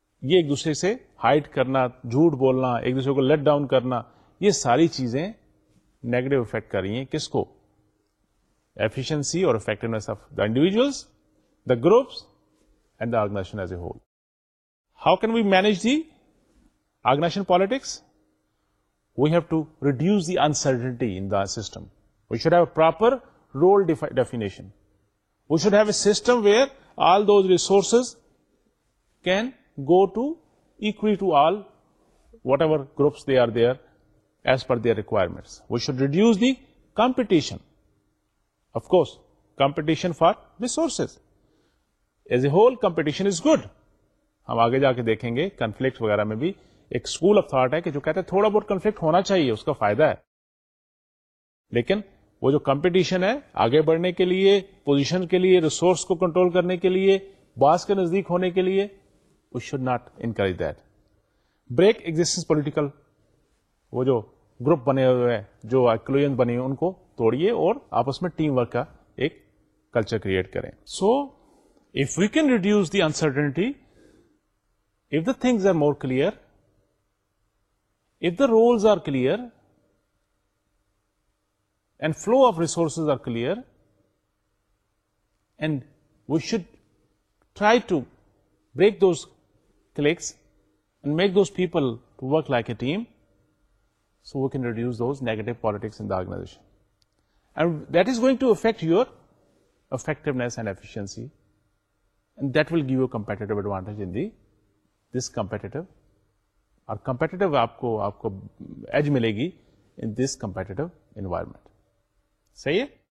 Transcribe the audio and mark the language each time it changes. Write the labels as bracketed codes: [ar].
[ur] یہ ایک دوسرے سے ہائیڈ کرنا, جھوٹ بولنا, ایک دوسرے کو لیٹ ڈاؤن کرنا, یہ ساری چیزیں نیگیٹو افیکٹ کر رہی ہیں کس کو؟ ایفیشنسی اور [en] Effectiveness of the individuals, the groups and the organization as a whole. How can we manage the organization politics? We have to reduce the uncertainty in the system. We should have a proper role definition. We should have a system where all those resources can go to equally to all whatever groups they are there as per their requirements. We should reduce the competition. Of course, competition for resources. As a whole, competition is good. [ur] ہم آگے جا کے دیکھیں گے conflict وغیرہ میں بھی ایک اسکول آف تھاٹ ہے کہ جو کہتے ہیں تھوڑا بہت کنفلکٹ ہونا چاہیے, اس کا فائدہ ہے, لیکن وہ جو کمپٹیشن ہے آگے بڑھنے کے لیے, پوزیشن کے لیے, ریسورس کو کنٹرول کرنے کے لیے, باس کے نزدیک ہونے کے لیے, [en] We should not encourage that. [ur] Break existence political, وہ جو گروپ بنے ہوئے ہیں, جو کلوئن بنے ہوئے ہیں, ان کو توڑیے اور آپس میں ٹیم ورک کا ایک کلچر کریٹ کریں. [en] so if we can reduce the uncertainty, if the things are more clear, if the roles are clear and flow of resources are clear, and we should try to break those cliques and make those people to work like a team, so we can reduce those negative politics in the organization, and that is going to affect your effectiveness and efficiency, and that will give you a competitive advantage in the this competitive, or competitive [ur] aapko edge milegi [en] in this competitive environment. [ur] Sahi hai?